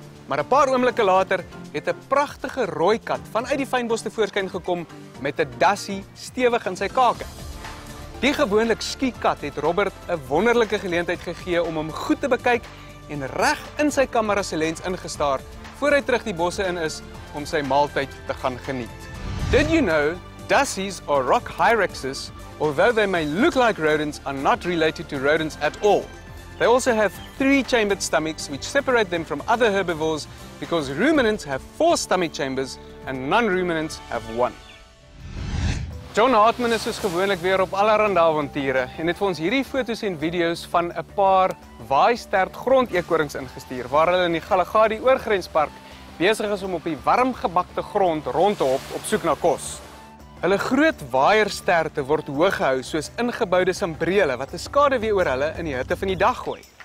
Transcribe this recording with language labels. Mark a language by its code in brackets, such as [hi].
[af] Maar 'n paar oomblikke later het 'n pragtige rooi kat vanuit die fynbos te voorskyn gekom met 'n dassie stewig in sy kake. Die gewoonlik skiekat het Robert 'n wonderlike geleentheid gegee om hom goed te bekyk en reg in sy kamera se lens ingestaar voor hy terug die bosse in is om sy maaltyd te gaan geniet. [en] Did you know dassies or rock hyraxes, although they may look like rodents, are not related to rodents at all? They also have three chambered stomachs which separate them from other herbivores because ruminants have four stomach chambers and non-ruminants have one. [af] John Hartman is soos gewoonlik weer op allerhande avonture en het vir ons hierdie foto's en video's van 'n paar waaistert grondeekorings ingestuur waar hulle in die Galagadi oorgrenspark besig is om op die warm gebakte grond rond te hop op soek na kos. Hulle groot waaierstertte word hoog gehou soos ingeboude sambrele wat 'n skaduwee oor hulle in die hitte van die dag gooi.